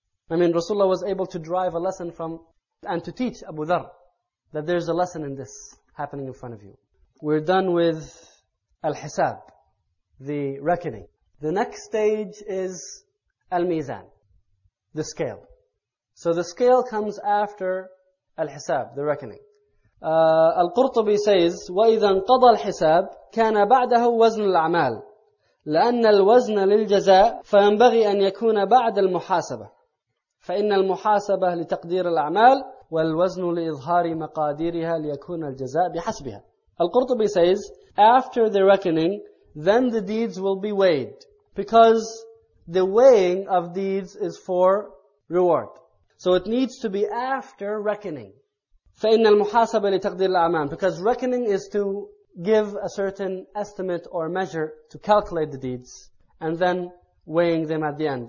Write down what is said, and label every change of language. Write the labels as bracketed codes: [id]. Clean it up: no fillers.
[en] I mean, Rasulullah was able to derive a lesson from, and to teach Abu Dharr, that there's a lesson in this happening in front of you. We're done with Al-Hisab, the reckoning. The next stage is Al-Mizan, the scale. So the scale comes after Al-Hisab, the reckoning. Al-Qurtubi says, [ar] وَإِذَا انْقَضَى الْحِسَابِ كَانَ بَعْدَهُ وَزْنُ الْأَعْمَالِ لأن الوزن للجزاء فينبغي أن يكون بعد المحاسبة فإن المحاسبة لتقدير الأعمال والوزن لإظهار مقاديرها ليكون الجزاء بحسبها. [en] القرطبي says, after the reckoning, then the deeds will be weighed because the weighing of deeds is for reward. So it needs to be after reckoning. [ar] فإن المحاسبة لتقدير الأعمال, [en] because reckoning is to give a certain estimate or measure to calculate the deeds and then weighing them at the end.